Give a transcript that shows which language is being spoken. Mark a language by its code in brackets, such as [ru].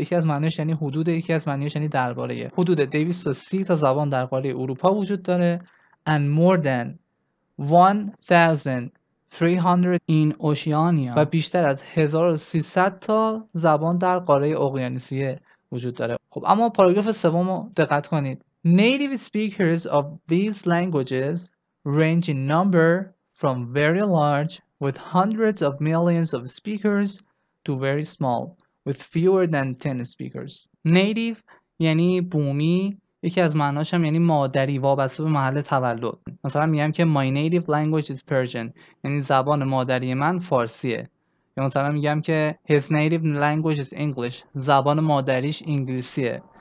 [fa] یکی از معنیش یعنی حدوده، یکی از معنیش یعنی درباره. حدود 230 تا زبان در قاره اروپا وجود داره. [en] And more than 1,300 in Oceania. [fa] و بیشتر از 1,300 تا زبان در قاره اقیانوسیه وجود داره. خب اما پاراگراف سوم رو دقت کنید. [en] Native speakers of these languages range in number from very large with hundreds of millions of speakers to very small with fewer than 10 speakers. [fa] Native یعنی بومی، یکی از معناش هم یعنی مادری، وابسته به محل تولد. مثلا میگم که [en] my native language is Persian، [fa] یعنی زبان مادری من فارسیه. یا مثلا میگم که [en] his native language is English، [fa] زبان مادریش انگلیسیه.